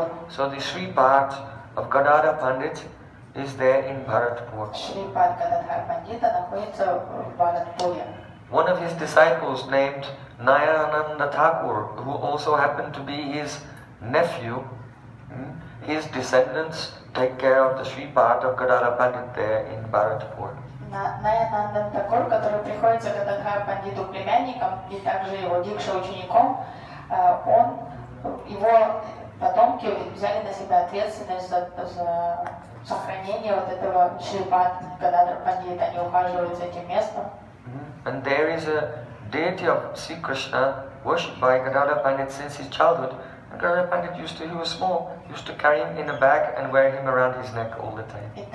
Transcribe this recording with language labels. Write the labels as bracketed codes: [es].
[en] So the Sri Path of Gadadhar Pandit is there in Bharatpur. One of his his disciples named Nayanananda Thakur, who also happened to be his nephew, his descendants take care of the Sri Pada Kadara Pandit there in Bharatpur. [ru] Nayananda Thakur, который приходится Кадхара Пандиту племянником и также его дикша учеником, он его потомки взяли на себя ответственность за сохранение вот этого Шри Пада Кадхара Пандита, они ухаживают за этим местом. [en] And there is a deity of Sri Krishna worshipped by Gadadhar Pandit since his childhood. Gadadhar Pandit used to, he was small, used to carry him in a bag and wear him around his neck all the time.